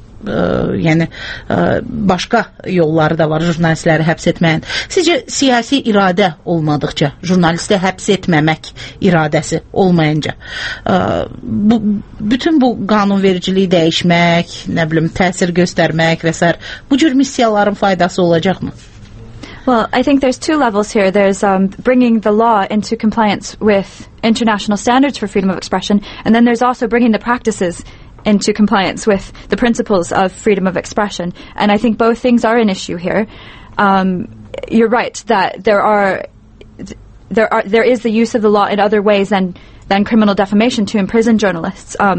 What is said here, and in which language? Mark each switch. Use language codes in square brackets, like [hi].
[az] yəni başqa yolları da var jurnalistləri həbs etməyin. Sizcə siyasi iradə olmadıqca, jurnalisti həbs etməmək iradəsi olmayınca, bu, bütün bu qanunvericiliyi dəyişmək, nə bilim, təsir göstərmək və s. bu cür missiyaların faydası olacaqmı? [en] Well, I think there's two levels here. There's bringing the law into compliance with international standards for freedom of expression, and then there's also bringing the practices into compliance with the principles of freedom of expression. And I think both things are an issue here. You're right that there is the use of the law in other ways than criminal defamation to imprison journalists.